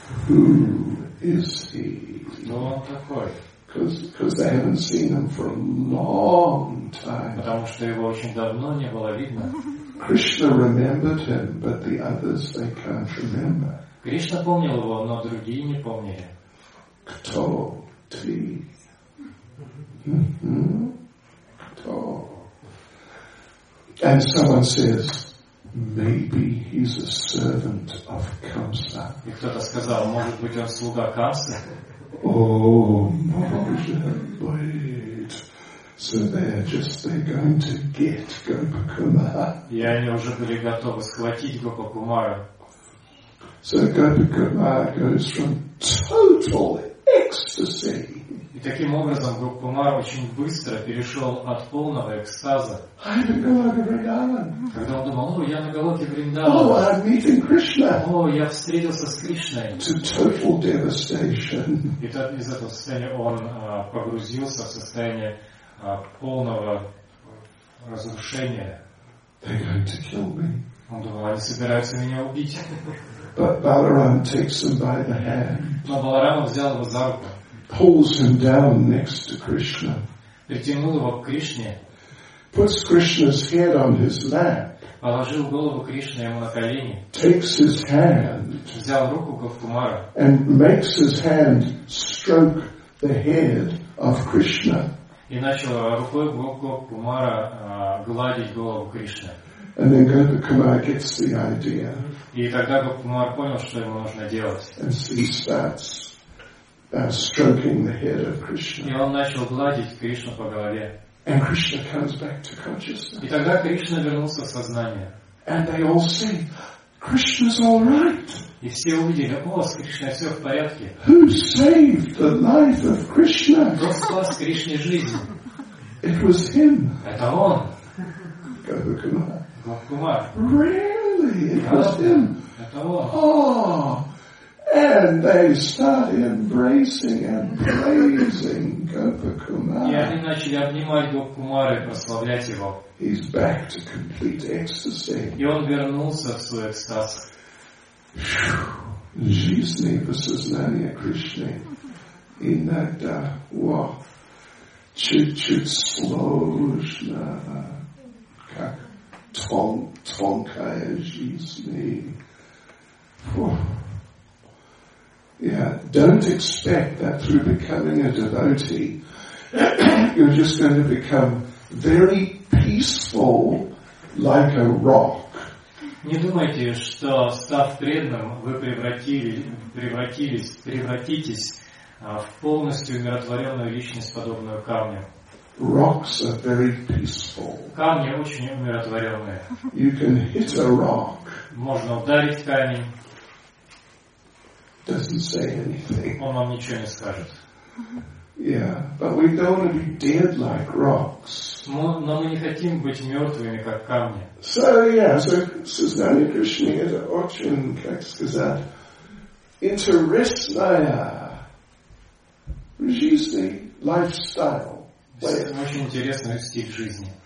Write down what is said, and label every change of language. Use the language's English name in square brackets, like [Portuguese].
[English] Who is he? [Russian] Кто он такой? [English] Because they haven't seen him for a long time. [Russian] Потому что его очень давно не было видно. [English] Krishna remembered him, but the others they can't remember. [Russian] Кришна помнил его, но другие не помнили. Кто ты? Кто? [English] And someone says, maybe he's a servant of Kamsa. [Russian] И кто-то сказал, может быть, он слуга Камсы? [English] Oh, Marja, wait. So they're going to get Gopakumara. [Russian] И они уже были готовы схватить Гопакумару. [English] So Gopakumara goes from total ecstasy. [Russian] И таким образом Гопакумар очень быстро перешел от полного экстаза. [English] I'm in Goloka Vrindavan. [Russian] Когда он думал, о, я на Голоке Вриндаван. [English] Oh, I'm meeting Krishna. [Russian] О, я встретился с Кришной. [English] To total devastation. [Russian] И так из этого состояния он погрузился в состояние полного разрушения. [English] They're going to kill me. [Russian] Он думал, они собираются меня убить. [English] But Balaram takes him by the hand. [Russian] Но Баларама взял его за руку. [English] Pulls him down next to Krishna. [Russian] Притянул его к Кришне. [English] Puts Krishna's head on his lap. [Russian] Положил голову Кришны ему на колени. [English] Takes his hand. [Russian] Взял руку Гопакумара. [English] And makes his hand stroke the head of Krishna. [Russian] И начал рукой Гопакумара гладить голову Кришны. [English] And then Gopakumara gets the idea. [Russian] И тогда Гопакумара понял, что ему нужно делать. [English] And he starts stroking the head of Krishna. [Russian] И он начал гладить Кришну по голове. [English] And Krishna comes back to consciousness. [Russian] И тогда Кришна вернулся в сознание. [English] And they all say, Krishna's all right. [Russian] И все увидели, о, с Кришной все в порядке. [English] Who saved the life of Krishna? [Russian] Кто спас Кришне жизнь? [English] It was him. [Russian] Это он. [English] Гопакумар. Really? It was him. [Russian] Это он. [English] Oh. And they start embracing and praising Gopakumara. [Russian] И они начали обнимать Гопакумара и прославлять его. [English] He's back to complete ecstasy. [Russian] И он вернулся в свой экстаз. Жизнь в сознании Кришны иногда чуть-чуть сложно, как тонкая жизнь. [English] Yeah, don't expect that through becoming a devotee, you're just going to become very peaceful, like a rock. [Russian] Не думайте, что став преданным, вы превратитесь в полностью умиротворенную личность, подобную камню. [English] Rocks are very peaceful. [Russian] Камни очень умиротворенные. [English] You can hit a rock. [Russian] Можно ударить камень. [English] Doesn't say anything. [Russian] Он вам ничего не скажет. [English] Yeah, but we don't want to be dead like rocks. [Russian] Но мы не хотим быть мертвыми, как камни. [English] So yeah, so [Russian] Сознание Кришны это очень, как сказать, интересная жизнь, [English] lifestyle. [Russian] Очень интересный стиль жизни.